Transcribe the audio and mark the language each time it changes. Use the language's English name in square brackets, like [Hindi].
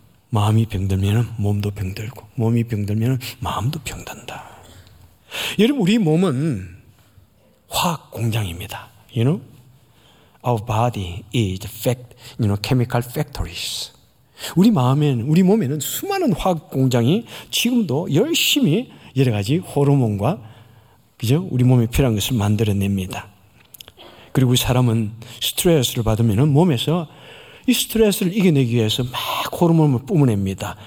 [Korean] 마음이 병들면 몸도 병들고, 몸이 병들면 마음도 병든다. 여러분, 우리 몸은 화학 공장입니다. [English] You know? Our body is chemical factories. [Korean] 우리 마음에는, 우리 몸에는 수많은 화학공장이 지금도 열심히 여러 가지 호르몬과 그죠? 우리 몸에 필요한 것을 만들어냅니다. 그리고 사람은 스트레스를 받으면 몸에서 이 스트레스를 이겨내기 위해서 막 호르몬을 뿜어냅니다.